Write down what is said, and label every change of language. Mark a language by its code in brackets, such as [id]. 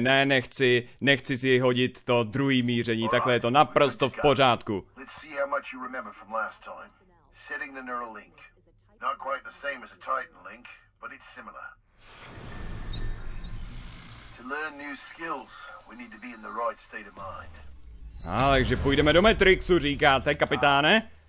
[cs] Ne, nechci si hodit to druhý míření. Takhle je to naprosto v pořádku. [en] Let's see how much you remember from last time. Setting the neural link. Not quite the same as a Titan link, but it's similar. To learn new skills, we need to be in the right state of mind. [cs] Takže půjdeme do Matrixu, říkáte, kapitáne?